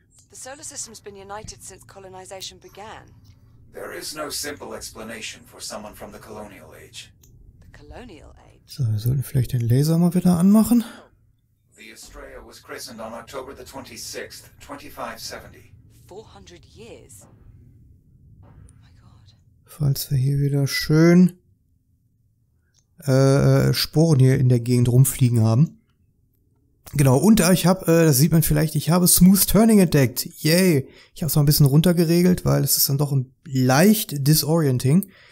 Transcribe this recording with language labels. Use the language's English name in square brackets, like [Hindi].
[English] The solar system's been united since colonization began. There is no simple explanation for someone from the colonial age. The colonial age. [German] So, wir sollten vielleicht den Laser mal wieder anmachen. [English] The Astraea was christened on October the 26th, 2570. 400 years. Oh my god. [German] Falls wir hier wieder schön Sporen hier in der Gegend rumfliegen haben. Genau, und ich habe, das sieht man vielleicht, ich habe Smooth Turning entdeckt. Yay. Ich habe es mal ein bisschen runtergeregelt, weil es ist dann doch ein leicht disorienting.